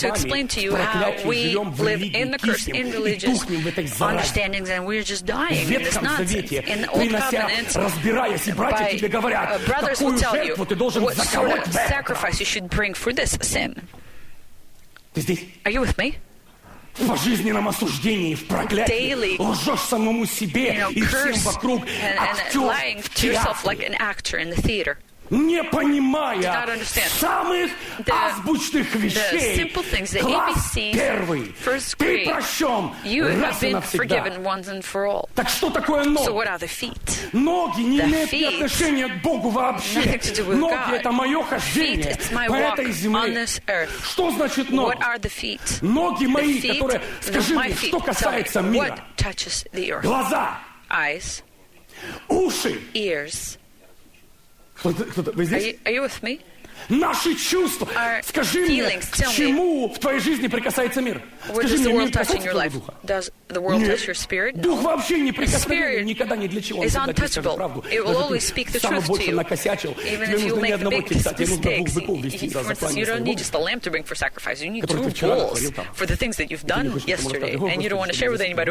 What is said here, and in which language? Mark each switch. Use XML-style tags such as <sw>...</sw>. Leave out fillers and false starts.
<en>to explain to you how we live in the curse, in religious understandings, and we're just dying in this nonsense. In the Old Covenant, brothers will tell you, what sort of sacrifice you should bring for this sin? Are you with me?</en> <ru>В жизненном осуждении, в проклятии, лжешь самому себе и всем вокруг, актер в театре. Не понимая самых азбучных вещей. Класс первый.</ru> <en>First grade.</en> <ru>Ты прощен раз и навсегда. Так что такое ноги?</ru> <en>So what are the feet?</en> <ru>Ноги не имеют отношения к Богу вообще. Ноги это мое хождение по этой земле. Что значит ноги?</ru> <en>What are the feet?</en> <ru>Ноги мои, которые, скажи мне, что касается мира.</ru> <en>What touches the earth?</en> <ru>Глаза.</ru> <en>Eyes.</en> <ru>Уши.</ru> <en>Ears.</en> <ru>Кто-то, вы здесь?</ru> <en>Are you with me?</en> <ru>Наши чувства.</ru> <en>Our</en> <ru>скажи</ru> <en>feelings,</en> <ru>мне, к чему в твоей жизни прикасается мир? Скажи мне, мир касается духа?</ru> <en>Does the world touch your spirit? No.</en> <ru>Дух вообще не прикосновен, никогда ни для чего.</ru> <en>Is untouchable.</en> <ru>Правду.</ru> <en>It will always speak the truth to you.</en> <ru>Накосячил.</ru> <en>Even if you make the biggest mistakes, you don't need just a lamb to bring for sacrifice. You need two bulls for the things that you've done yesterday, and you don't want to share with anybody.</en>